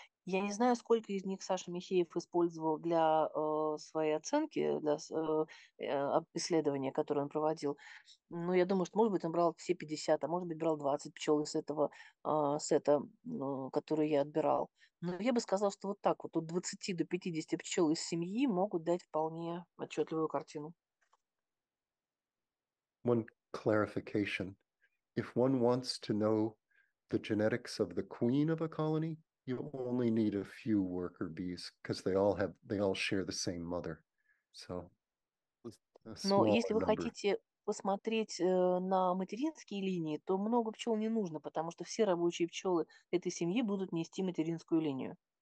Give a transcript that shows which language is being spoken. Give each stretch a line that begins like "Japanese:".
Russian: Я не знаю, сколько из них Саша Михеев использовал для своей оценки, для исследования, которое он проводил. Но я думаю, что, может быть, он брал все 50, а может быть, брал 20 пчел из этого сета, который я отбирал. Но я бы сказала, что вот так вот, от 20 до 50 пчел из семьи могут дать вполне отчетливую картину.
English: One clarification. If one wants to know the genetics of the queen of a colony, you only need a few worker bees because they all share the same mother. So,
Russian: но если вы хотите посмотреть на материнские линии, то много пчел не нужно, потому что все рабочие пчелы этой семьи будут нести материнскую линию.